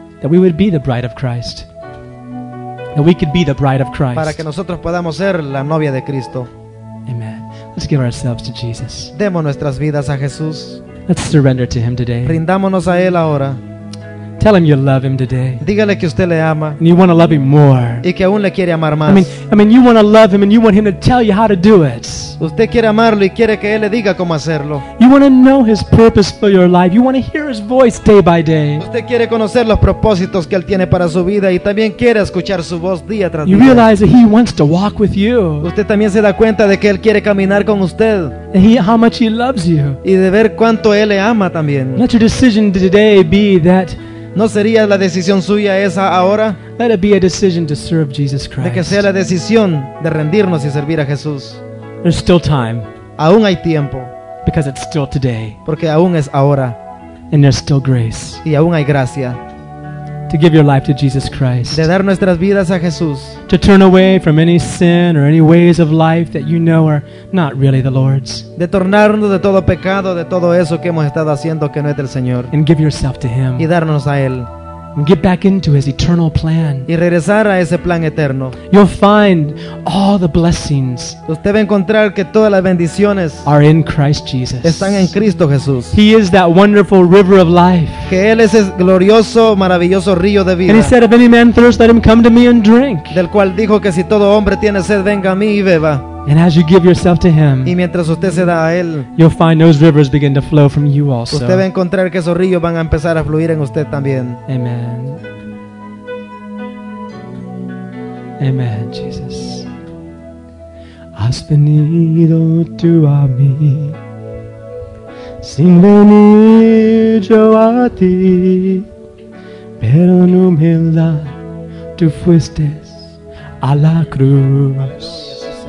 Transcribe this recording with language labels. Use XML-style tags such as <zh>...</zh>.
<en>That we would be the bride of Christ. That we could be the bride of Christ.</en> <es>Para que nosotros podamos ser la novia de Cristo.</es> <en>Amen. Let's give ourselves to Jesus.</en> <es>Demos nuestras vidas a Jesús.</es> <en>Let's surrender to Him today.</en> <es>Rindámonos a Él ahora.</es> <en>Tell Him you love Him today.</en> <es>Dígale que usted le ama.</es> <en>And you want to love Him more.</en> <es>Y que aún le quiere amar más.</es> <en>I mean, you want to love Him and you want Him to tell you how to do it.</en> <es>Usted quiere amarlo y quiere que Él le diga cómo hacerlo.</es> <en>You want to know His purpose for your life. You want to hear His voice day by day.</en> <es>Usted quiere conocer los propósitos que Él tiene para su vida y también quiere escuchar su voz día tras día.</es> <en>You realize that He wants to walk with you.</en> <es>Usted también se da cuenta de que Él quiere caminar con usted.</es> <en>And how much He loves you.</en> <es>Y de ver cuánto Él le ama también.</es> <en>Let your decision today be that.</en> <es>¿No sería la decisión suya esa ahora?</es> <en>Let it be a decision to serve Jesus Christ.</en> <es>De que sea la decisión de rendirnos y servir a Jesús.</es> <en>There's still time.</en> <es>Aún hay tiempo.</es> <en>Because it's still today.</en> <es>Porque aún es ahora.</es> <en>And there's still grace.</en> <es>Y aún hay gracia.</es> <en>To give your life to Jesus Christ.</en> <es>De dar nuestras vidas a Jesús.</es> <en>To turn away from any sin or any ways of life that you know are not really the Lord's.</en> <es>De tornarnos de todo pecado, de todo eso que hemos estado haciendo que no es del Señor.</es> <en>And give yourself to Him.</en> <es>Y darnos a Él.</es> <en>And get back into His eternal plan.</en> <es>Y regresar a ese plan eterno.</es> <en>You'll find all the blessings.</en> <es>Usted va a encontrar que todas las bendiciones</es> <en>are in Christ Jesus.</en> <es>Están en Cristo Jesús.</es> <en>He is that wonderful river of life.</en> <es>Que Él es ese glorioso, maravilloso río de vida.</es> <en>And He said, if any man thirst, let him come to me and drink.</en> <es>Del cual dijo que si todo hombre tiene sed, venga a mí y beba.</es> <en>And as you give yourself to Him,</en> <es>y mientras usted se da a Él,</es> <en>you'll find those rivers begin to flow from you also.</en> <es>Usted va a encontrar que esos ríos van a empezar a fluir en usted también.</es> <en>Amen. Amen, Jesus.</en> <es>Has venido tú a mí, sin venir yo a ti, pero en humildad tú fuiste a la cruz.</es>